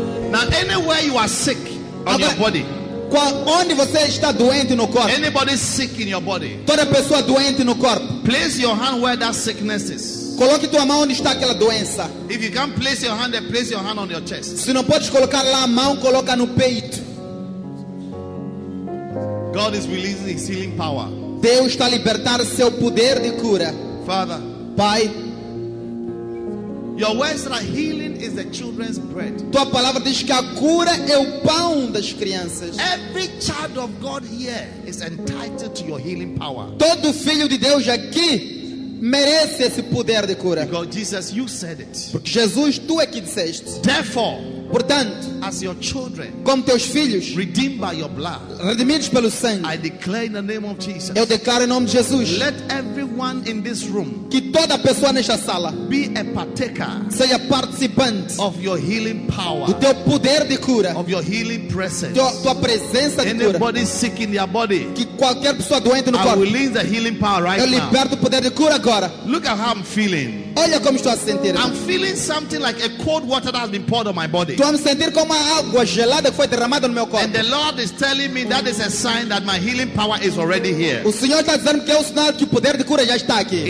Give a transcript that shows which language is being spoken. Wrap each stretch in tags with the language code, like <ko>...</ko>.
<en>Now, anywhere you are sick on your body.</en> <pt>Onde você está doente no corpo?</pt> <en>Anybody sick in your body?</en> <pt>Toda pessoa doente no corpo.</pt> <en>Place your hand where that sickness is.</en> <pt>Coloque tua mão onde está aquela doença.</pt> <en>If you can't place your hand, then place your hand on your chest.</en> <pt>Se não podes colocar lá a mão, coloca no peito.</pt> <en>God is releasing his healing power.</en> <pt>Deus está libertando seu poder de cura.</pt> <en>Father,</en> <pt>Pai,</pt> <en>your words are healing. Is the children's bread.</en> <pt>Tua palavra diz que a cura é o pão das crianças.</pt> <en>Every child of God here is entitled to your healing power.</en> <pt>Todo filho de Deus aqui merece esse poder de cura.</pt> <en>Because Jesus, you said it.</en> <pt>Porque Jesus, tu é que disseste.</pt> <en>Therefore,</en> <pt>portanto,</pt> <en>as your children,</en> <pt>como teus filhos,</pt> <en>redeemed by your blood,</en> <pt>redimidos pelo sangue,</pt> <en>I declare in the name of Jesus.</en> <pt>Eu declaro em nome de Jesus.</pt> <en>Let everyone in this room,</en> <pt>que toda pessoa nesta sala,</pt> <en>be a partaker,</en> <pt>seja participante,</pt> <en>of your healing power,</en> <pt>do teu poder de cura,</pt> <en>of your healing presence,</en> <pt>tua presença de cura.</pt> <en>Anybody sick in your body,</en> <pt>que qualquer pessoa doente no corpo,</pt> <en>I will release the healing power right now.</en> <pt>Eu liberto o poder de cura agora.</pt> <en>Look at how I'm feeling.</en> <pt>Olha como estou a sentir.</pt> <en>I'm feeling something like a cold water that has been poured on my body.</en> <pt>Estou a sentir como a água gelada que foi derramada no meu corpo.</pt> <en>And the Lord is telling me that is a sign that my healing power is already here.</en> <pt>O Senhor está dizendo que é o sinal que o poder de cura já está aqui.</pt>